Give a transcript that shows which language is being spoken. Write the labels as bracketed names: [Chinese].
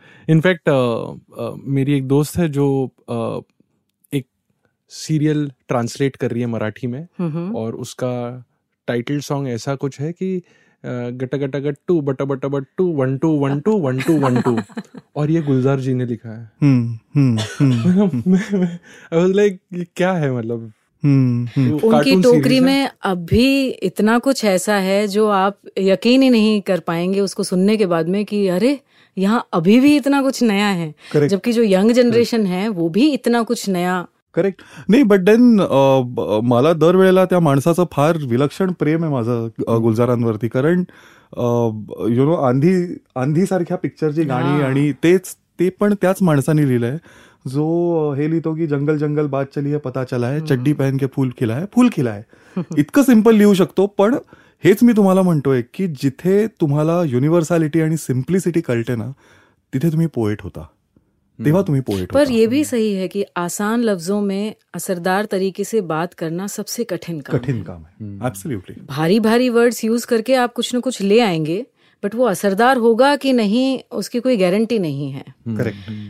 [Hindi] In fact मेरी एक दोस्त है जो एक सीरियल ट्रांसलेट कर रही है मराठी में, और उसका टाइटल सॉन्ग ऐसा कुछ है कि गटा गटा गट्टू बटा बटा बट्टू one two one two one two one two, और ये गुलजार जी ने लिखा है. मैं, [English] I was like, [Hindi] क्या है मतलब. उनकी टोकरी में अब भी इतना कुछ ऐसा है जो आप यकीन ही नहीं कर पाएंगे उसको सुनने के बाद में कि अरे यहाँ अभी भी इतना कुछ नया है, जबकि जो यंग जनरेशन है वो भी इतना कुछ नया. [English] Correct. [Marathi] नहीं बट देन मला दर वेळेला त्या माणसाचं फार विलक्षण प्रेम आहे माझं गुलजारांवरती, कारण यु नो आंधी सारख्या पिक्चरची गाणी आणि तेच ते पण त्याच माणसाने लिहिलं आहे जो हे लिहितो की [Hindi] जंगल जंगल बात चली है पता चला है चड्डी पहन के फूल खिला है [Marathi] फूल खिला है. इतकं सिंपल लिहू शकतो, पण हेच मी तुम्हाला म्हणतोय की जिथे तुम्हाला युनिव्हर्सॅलिटी आणि सिम्प्लिसिटी कळते ना तिथे तुम्ही पोएट होता. [Hindi] पर ये भी सही है कि आसान लफ्जों में असरदार तरीके से बात करना सबसे कठिन काम है. एब्सोल्युटली. भारी भारी वर्ड्स यूज करके आप कुछ न कुछ ले आएंगे, बट वो असरदार होगा कि नहीं उसकी कोई गारंटी नहीं है. [English] Correct.